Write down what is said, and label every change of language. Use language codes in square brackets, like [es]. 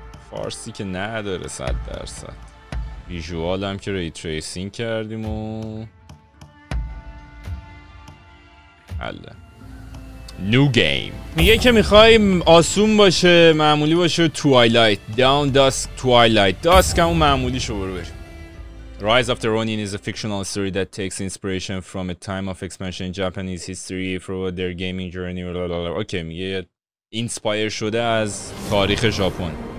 [fa] فارسی که نداره 100%. ویژوال هم که ریتریسینگ کردیم و الله. [en] New game. [fa] میگه که میخواییم آسون باشه، معمولی باشه. Twilight Down Dusk Twilight Dusk همون معمولی شو برو بریم. [en] Rise of the Ronin is a fictional story that takes inspiration from a time of expansion in Japanese history for their gaming journey. [fa] اوکی، میگه inspire شده از تاریخ ژاپن.